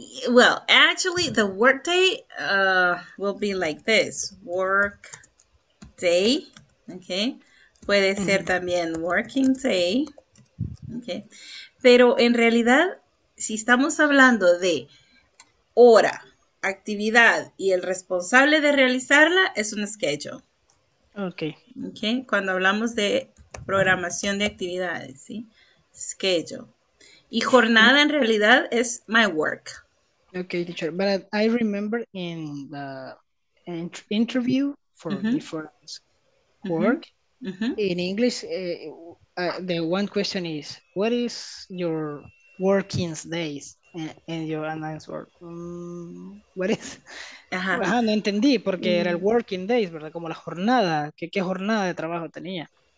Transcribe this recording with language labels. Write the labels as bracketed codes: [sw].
[en] Well, actually, the workday will be like this: work day. [es] Okay, puede ser también working day. Okay. Pero en realidad, si estamos hablando de hora, actividad y el responsable de realizarla, es un schedule. [en] Okay. [es] Cuando hablamos de programación de actividades, ¿sí? Schedule. Y jornada en realidad es [en] my work. Okay, teacher. But I remember in the interview for different work, in English, the one question is, what is your working days? And your answer, what is? Ajá. [es] Ajá, no entendí, porque era el working days, ¿verdad? Como la jornada, ¿qué jornada de trabajo tenía?